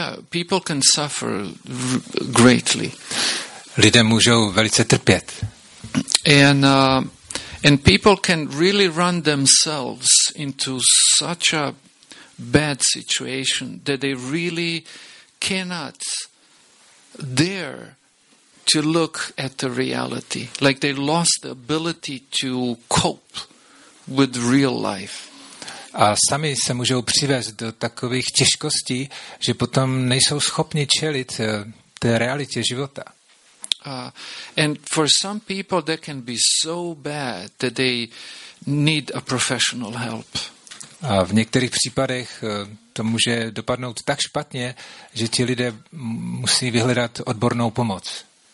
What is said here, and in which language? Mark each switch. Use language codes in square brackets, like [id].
[en] people can suffer greatly. [cs] Lidé můžou velice trpět. [en] And people can really run themselves into such a bad situation that they really cannot dare to look at the reality. Like they lost the ability to cope with real life. [cs] A sami se můžou přivést do takových těžkostí, že potom nejsou schopni čelit té realitě života. [en] And for some people that can be so bad that they need a professional help. [cs] A v některých případech to může dopadnout tak špatně, že ti lidé musí vyhledat odbornou pomoc.